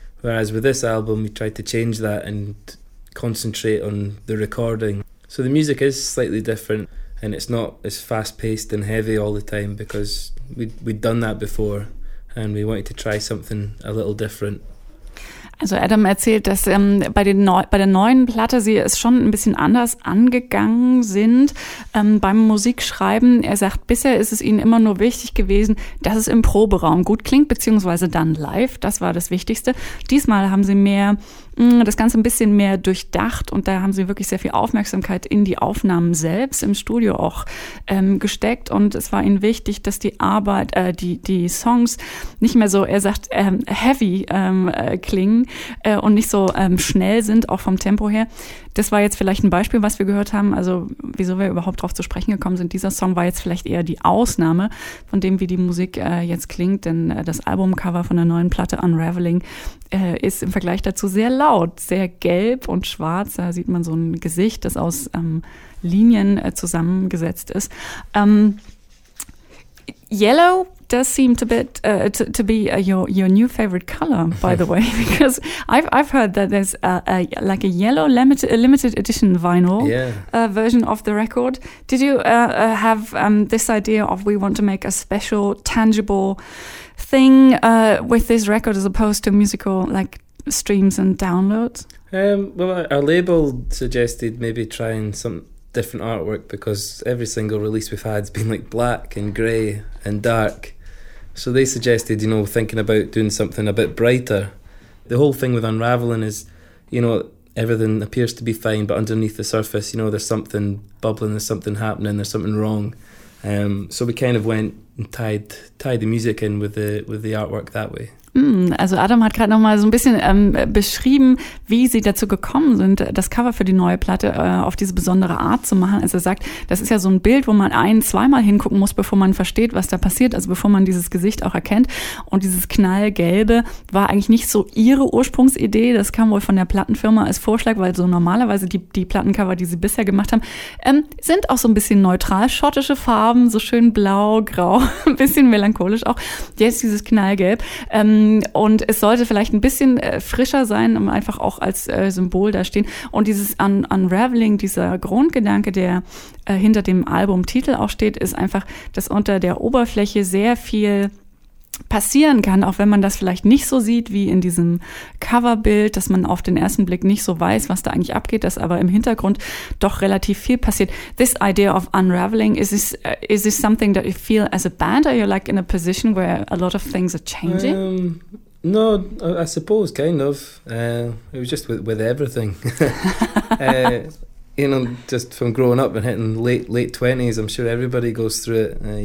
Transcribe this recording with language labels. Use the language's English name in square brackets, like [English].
[English] Whereas with this album, we tried to change that and concentrate on the recording. So the music is slightly different, and it's not as fast-paced and heavy all the time because we'd done that before, and we wanted to try something a little different. [German] Also Adam erzählt, dass bei der neuen Platte sie es schon ein bisschen anders angegangen sind beim Musikschreiben. Er sagt, bisher ist es ihnen immer nur wichtig gewesen, dass es im Proberaum gut klingt, beziehungsweise dann live. Das war das Wichtigste. Diesmal haben sie das Ganze ein bisschen mehr durchdacht, und da haben sie wirklich sehr viel Aufmerksamkeit in die Aufnahmen selbst im Studio auch gesteckt. Und es war ihnen wichtig, dass die Arbeit, die Songs nicht mehr so, er sagt, heavy klingen und nicht so schnell sind, auch vom Tempo her. Das war jetzt vielleicht ein Beispiel, was wir gehört haben, also wieso wir überhaupt drauf zu sprechen gekommen sind. Dieser Song war jetzt vielleicht eher die Ausnahme von dem, wie die Musik jetzt klingt, denn das Albumcover von der neuen Platte Unraveling ist im Vergleich dazu sehr laut, sehr gelb und schwarz. Da sieht man so ein Gesicht, das aus Linien zusammengesetzt ist. [English] Yellow does seem a bit to be your new favorite color, by the way, because I've heard that there's like a yellow limited edition vinyl version of the record. Did you have this idea of we want to make a special tangible thing with this record as opposed to musical like streams and downloads? Well, our label suggested maybe trying some different artwork because every single release we've had has been like black and grey and dark. So they suggested, you know, thinking about doing something a bit brighter. The whole thing with Unraveling is, you know, everything appears to be fine, but underneath the surface, you know, there's something bubbling, there's something happening, there's something wrong. So we kind of went and tied the music in with the artwork that way. [German] Also Adam hat gerade nochmal so ein bisschen beschrieben, wie sie dazu gekommen sind, das Cover für die neue Platte auf diese besondere Art zu machen. Also er sagt, das ist ja so ein Bild, wo man ein-, zweimal hingucken muss, bevor man versteht, was da passiert. Also bevor man dieses Gesicht auch erkennt. Und dieses Knallgelbe war eigentlich nicht so ihre Ursprungsidee. Das kam wohl von der Plattenfirma als Vorschlag, weil so normalerweise die Plattencover, die sie bisher gemacht haben, sind auch so ein bisschen neutral. Schottische Farben, so schön blau, grau, ein bisschen melancholisch auch. Jetzt dieses Knallgelb. Und es sollte vielleicht ein bisschen frischer sein, um einfach auch als Symbol da stehen. Und dieses Unraveling, dieser Grundgedanke, der hinter dem Albumtitel auch steht, ist einfach, dass unter der Oberfläche sehr viel passieren kann, auch wenn man das vielleicht nicht so sieht wie in diesem Coverbild, dass man auf den ersten Blick nicht so weiß, was da eigentlich abgeht, dass aber im Hintergrund doch relativ viel passiert. [English] This idea of unraveling, is this something that you feel as a band? Are you like in a position where a lot of things are changing? No, I suppose kind of. It was just with everything. you know, just from growing up and hitting late 20s, I'm sure everybody goes through it.